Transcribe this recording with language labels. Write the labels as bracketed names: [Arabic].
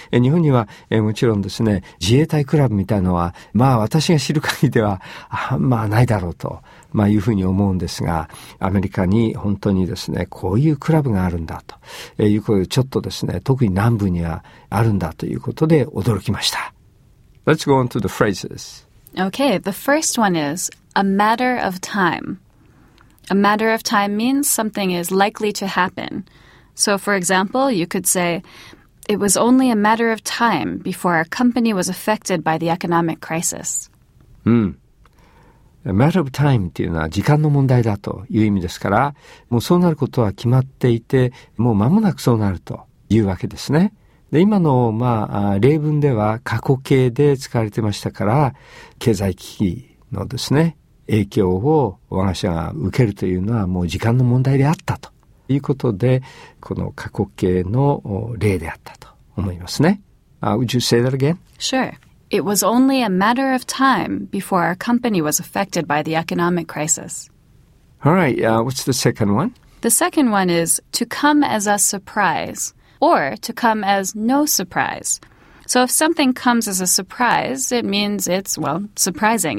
[Japanese] 日本には、もちろんですね、自衛隊クラブみたいのは、まあ私が知る限りでは、まあないだろうと、まあいうふうに思うんですが、アメリカに本当にですね、こういうクラブがあるんだと、いうことでちょっとですね、特に南部にはあるんだということで驚きました。 [English] Let's go on to the phrases. Okay, the first one is a matter of time. A matter of time means something is likely to happen. So, for example, you could say, it was only a matter of time before our company was affected by the economic crisis. [Japanese] A matter of time っていうのは時間の問題だという意味ですから、もうそうなることは決まっていて、もう間もなくそうなるというわけですね。で、今の、まあ、例文では過去形で使われてましたから、経済危機のですね、影響を我が社が受けるというのはもう時間の問題であったと。ということで、この過去形の例であったと思いますね。 [English] Would you say that again? Sure. It was only a matter of time before our company was affected by the economic crisis. All right. What's the second one? The second one is to come as a surprise or to come as no surprise. So if something comes as a surprise, it means it's, well, surprising.